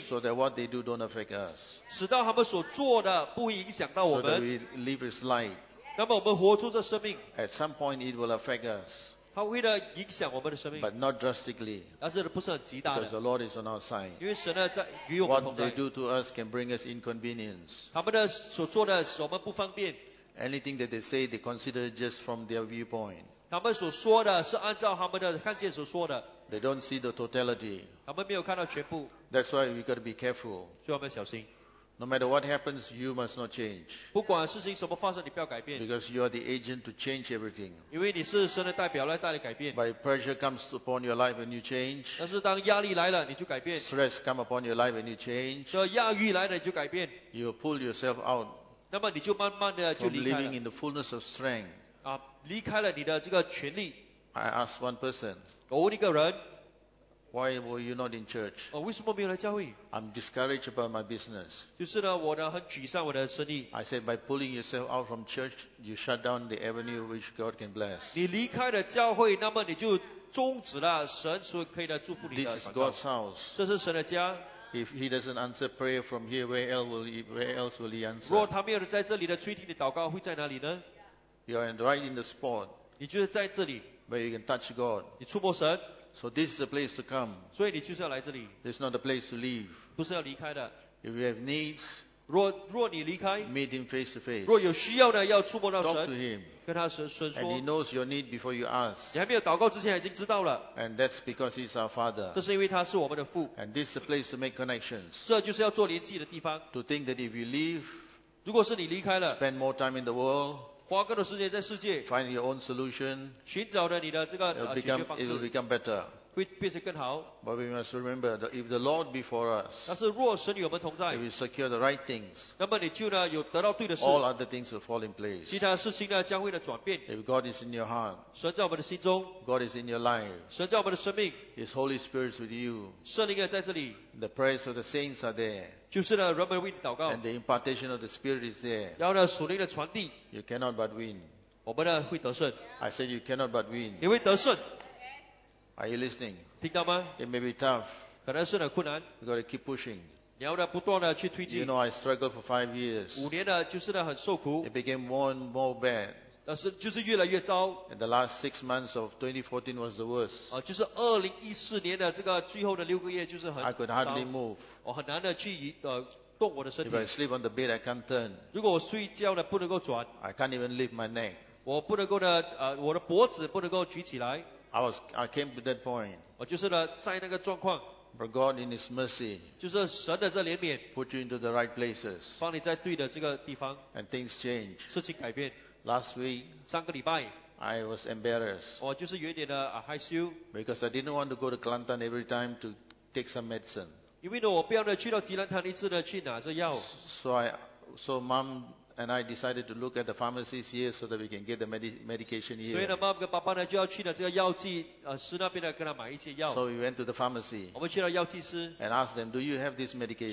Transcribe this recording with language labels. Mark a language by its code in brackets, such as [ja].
[en] so that what they do don't affect us. [zh] 使到他们所做的不会影响到我们。 [en] So that we live as light. [zh] 那么我们活出这生命。 [en] At some point it will affect us. [zh] 它会影响我们的生命, [en] but not drastically. [zh] 但是不是很极大的, [en] because the Lord is on our side. [zh] 因为神呢在与我们同在, [en] what they do to us can bring us inconvenience. [zh] 他们的所做的使我们不方便, [en] anything that they say, they consider just from their viewpoint. [zh] 他们所说的是按照他们的看见所说的, [en] they don't see the totality. [zh] 他们没有看到全部, [en] that's why we've got to be careful. [zh] 所以我们小心, [en] no matter what happens, you must not change. [zh] 不管事情什么发生，你不要改变。 [en] Because you are the agent to change everything. [zh] 因为你是神的代表来带来改变。 [en] But if pressure comes upon your life and you change, [zh] 但是当压力来了，你就改变。 [en] Stress comes upon your life and you change, [zh] 这压力来了，你就改变。 [en] You pull yourself out, [zh] 那么你就慢慢的就离开了。 [en] From living in the fullness of strength, [zh] 离开了你的这个权利。 [en] I asked one person, [zh] 我问一个人, [en] why were you not in church? [zh] 为什么没有来教会? [en] I'm discouraged about my business. [zh] 就是呢,我呢,很沮丧我的生意。 [en] I said, by pulling yourself out from church, you shut down the avenue which God can bless. [zh] 你离开了教会, 那么你就终止了神所可以的祝福你的祷告。 [en] This is God's house. [zh] 这是神的家。 [en] If he doesn't answer prayer from here, where else will he answer? [zh] 若他没有在这里的垂听的祷告会在哪里呢? [en] You are right in the spot. [zh] 你就是在这里, [en] where you can touch God. [zh] 你触摸神, [en] so this is the place to come. [zh] 所以你就是要来这里, [en] this is not the place to leave. [zh] 不是要离开的, [en] if you have needs, [zh] 若你离开, [en] meet him face to face. [zh] 若有需要呢, 要触摸到神, [en] talk to him. [zh] 跟他神说, [en] and he knows your need before you ask. [zh] 你还没有祷告之前已经知道了, [en] and that's because he's our father. [zh] 这是因为他是我们的父, [en] and this is the place to make connections. [zh] 这就是要做联系的地方, [en] to think that if you leave, [zh] 如果是你离开了, [en] spend more time in the world, [zh] 花更多时间在世界, [en] find your own solution, [zh] 寻找了你的这个, [en] it will become better. [zh] 会变成更好, [en] but we must remember that if the Lord before us, [zh] 但是若神与我们同在, [en] if we secure the right things, [zh] 那么你就呢, 有得到对的事, [en] all other things will fall in place. [zh] 其他事情呢, 将会的转变, [en] if God is in your heart, [zh] 神在我们的心中, [en] God is in your life, [zh] 神在我们的生命, [en] His Holy Spirit is with you, [zh] 圣灵在这里, [en] the prayers of the saints are there, [zh] 就是呢, [en] and the impartation of the Spirit is there, [zh] 要呢, [en] you cannot but win. [zh] 我们呢会得胜, [en] I said you cannot but win. [zh] 你会得胜, [en] are you listening? [zh] 听到吗? [en] It may be tough. [zh] 可能是很困难, [en] you've got to keep pushing. [zh] 你要不断地去推进, [en] you know, I struggled for 5 years. [zh] 五年呢就是很受苦, [en] it became more and more bad. [zh] 但是就是越来越糟, [en] and the last 6 months of 2014 was the worst. [zh] 就是2014年的这个最后的六个月就是很 [en] I could hardly move. [zh] 我很难地去动我的身体, [en] if I sleep on the bed, I can't turn. [zh] 如果我睡觉呢不能够转, [en] I can't even lift my neck. [zh] 我不能够呢, 我的脖子不能够举起来, [en] I came to that point. [zh] 我就是呢在那个状况, [en] but God in His mercy, [zh] 就是神的这怜悯, [en] put you into the right places, [zh] 放你在对的这个地方, [en] and things change. [zh] 事情改变. [en] Last week, [zh] 上个礼拜, [en] I was embarrassed. [zh] 我就是有点的害羞, [en] because I didn't want to go to Kelantan every time to take some medicine. [zh] 因为呢我不要呢去到吉兰坛一次呢去拿着药. [en] So mom and I decided to look at the pharmacies here so that we can get the medication here. So we went to the pharmacy and asked them, do you have this medication?